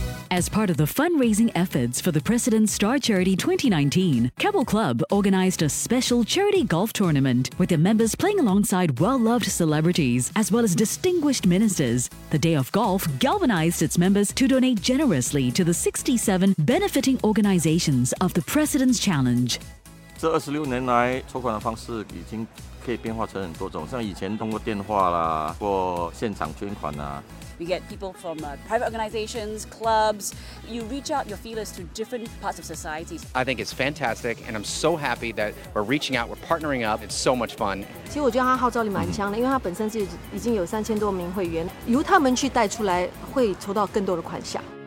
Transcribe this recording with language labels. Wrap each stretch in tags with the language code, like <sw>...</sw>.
<en>As part of the fundraising efforts for the President's Star Charity 2019, Keppel Club organized a special charity golf tournament with their members playing alongside well-loved celebrities as well as distinguished ministers. The Day of Golf galvanized its members to donate generously to the 67 benefiting organizations of the President's Challenge.</en> <zh>这二十六年来，筹款的方式已经可以变化成很多种，像以前通过电话啦，或现场捐款啦。</zh> <en>We get people from private organizations, clubs. You reach out your feelers to different parts of society. I think it's fantastic, and I'm so happy that we're reaching out, we're partnering up. It's so much fun.</en> <zh>其实我觉得它号召力蛮强的，因为它本身是已经有3000多名会员，由他们去带出来，会筹到更多的款项。</zh>